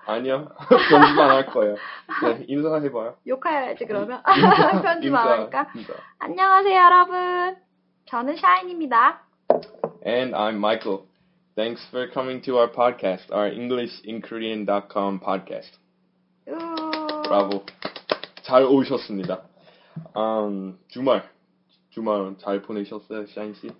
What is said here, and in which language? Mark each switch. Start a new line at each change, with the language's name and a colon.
Korean: 아니요, 편집 안할 거예요. 네, 인사해봐요. 욕해야지 그러면. 편집 안 인사. 하니까. 안녕하세요 여러분, 저는 샤인입니다.
English: And I'm Michael. Thanks for coming to our podcast, our EnglishinKorean.com podcast.
Korean: 브라보. 잘 오셨습니다. 주말 잘 보내셨어요, 샤인 씨?